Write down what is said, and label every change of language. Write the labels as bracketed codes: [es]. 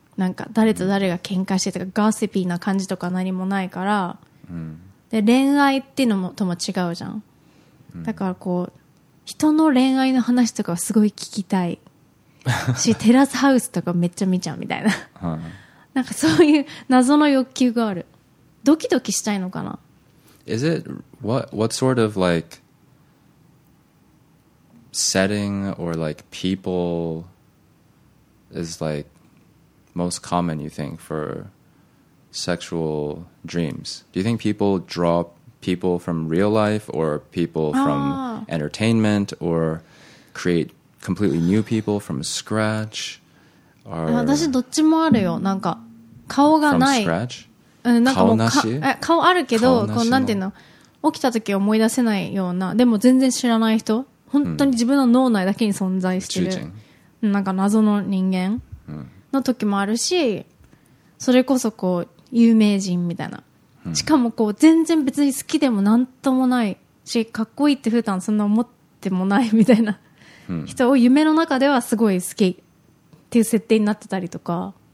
[ja] なんか誰と誰が喧嘩してとか、ガーシピーな感じとか何もないから、で、恋愛っていうのもとも違うじゃん。だからこう、人の恋愛の話とかはすごい聞きたい。しテラスハウスとかめっちゃ見ちゃうみたいな、はい、なんかそういう謎の欲求がある。ドキドキしたいのかな。 [en] Is it what sort of like setting or like people is like most common you think for sexual dreams? Do you think people draw people from real life or people from entertainment or createcompletely new people from scratch or... [ja] 私どっちもあるよ。なんか顔がない。 [en] from scratch? [ja] なんかもう顔なし。顔あるけど、こうなんていうの、起きた時思い出せないような、でも全然知らない人、本当に自分の脳内だけに存在してる、なんか謎の人間の時もあるし、それこそこう有名人みたいな、しかもこう全然別に好きでもなんともないし、かっこいいって普段そんな思ってもないみたいな人を夢の中ではすごい好きっていう設定になってたりとか。